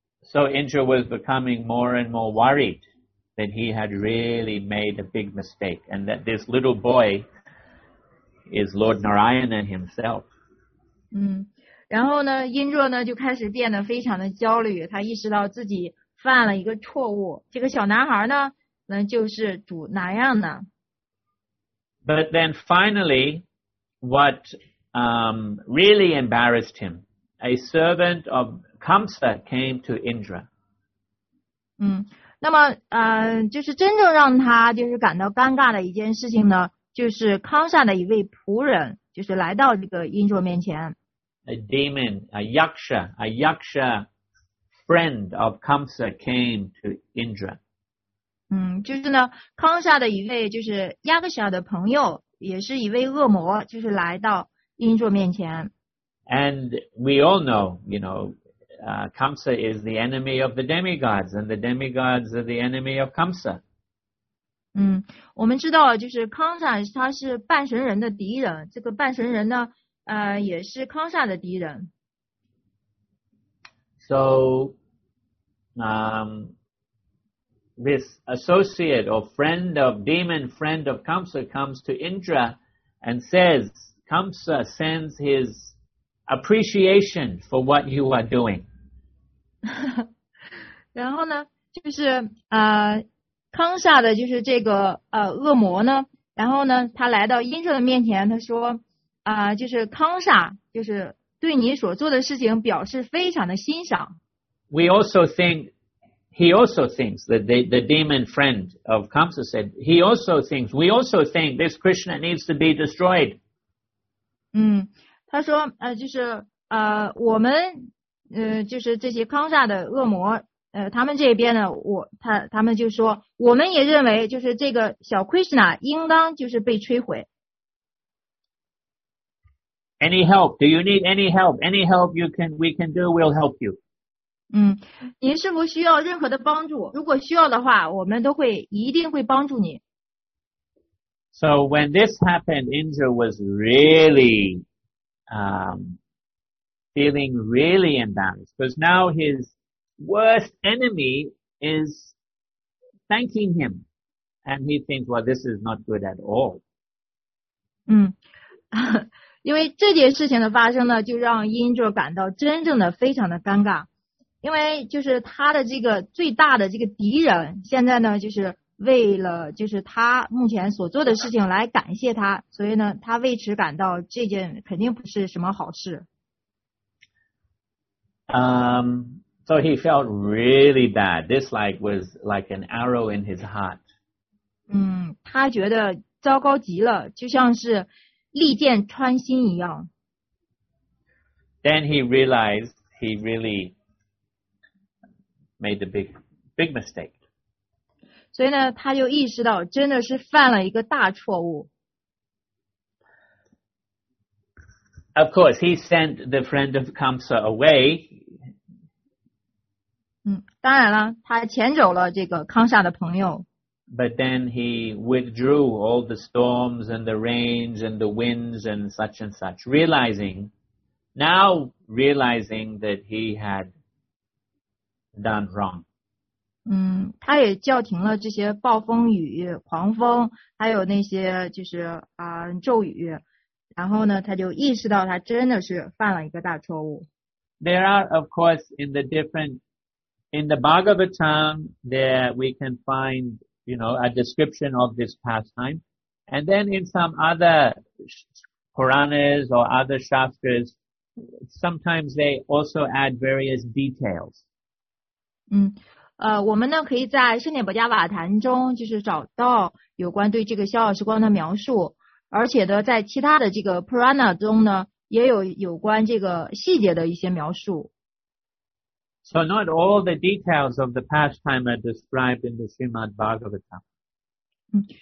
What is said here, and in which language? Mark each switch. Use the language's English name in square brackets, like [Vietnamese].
[English] So Indra was becoming more and more worried that he had really made a big mistake and that this little boy is Lord Narayana himself. [Chinese] 然后呢 Indra 呢就开始变得非常的焦虑，他意识到自己犯了一个错误，这个小男孩呢就是主哪样呢。 [English] But then finally, what really embarrassed him, a servant of Kamsa came to Indra. [Chinese] 那么就是真正让他就是感到尴尬的一件事情呢，就是康萨的一位仆人就是来到这个印卓面前。 [English] A demon, a yaksha friend of Kamsa came to Indra. [Chinese] 就是呢康萨的一位就是亚克夏的朋友，也是一位恶魔，就是来到印卓面前。 [English] And we all know, you know,Kamsa is the enemy of the demigods, and the demigods are the enemy of Kamsa. [Chinese] 我们知道就是康萨他是半神人的敌人，这个半神人呢也是康萨的敌人。 [English] So, this associate or friend of demon, friend of Kamsa comes to Indra and says, Kamsa sends his appreciation for what you are doing. [Chinese] 然后呢就是康萨的就是这个恶魔呢，然后呢他来到英雄的面前，他说就是康萨就是对你所做的事情表示非常的欣赏。 [English] We also think, he also thinks that the demon friend of Kamsa said, he also thinks, we also think this Krishna needs to be destroyed. [Chinese] 他说就是我们就是这些康萨的恶魔他们这边呢他们就说我们也认为就是这个小 Krishna 应当就是被摧毁。 [English] Any help? Do you need any help? Any help you can, we can do, we'll help you. [Chinese] 嗯，您是否需要任何的帮助？如果需要的话，我们都会一定会帮助你。 [English] So when this happened, Indra was really, feeling really embarrassed because now his worst enemy is thanking him, and he thinks, well, this is not good at all. [Chinese] 嗯，因为这件事情的发生呢，就让 Indra 感到真正的非常的尴尬。因为就是他的这个最大的这个敌人现在呢就是为了就是他目前所做的事情来感谢他，所以呢他为此感到这件肯定不是什么好事。 [English] So he felt really bad. This like was like an arrow in his heart. [Chinese] 嗯，他觉得糟糕极了，就像是利剑穿心一样。 [English] Then he realized he reallymade a big mistake. [Chinese] 所以呢他就意识到真的是犯了一个大错误。 [English] Of course, he sent the friend of Kamsa away. [Chinese] 当然了他遣走了这个康萨的朋友。 [English] But then he withdrew all the storms and the rains and the winds and such, realizing that he had done wrong. [Chinese] 他也叫停了这些暴风雨、狂风，还有那些就是咒语，然后呢，他就意识到他真的是犯了一个大错误。 [English] There are, of course, in the Bhagavatam, there we can find, you know, a description of this pastime. And then in some other Puranas or other Shastras, sometimes they also add various details. [Chinese] 我们呢可以在圣典保加瓦坛中就是找到有关对这个逍遥时光的描述，而且呢在其他的这个 Purana 中呢也有有关这个细节的一些描述。 [English] So not all the details of the pastime are described in the Srimad Bhagavatam.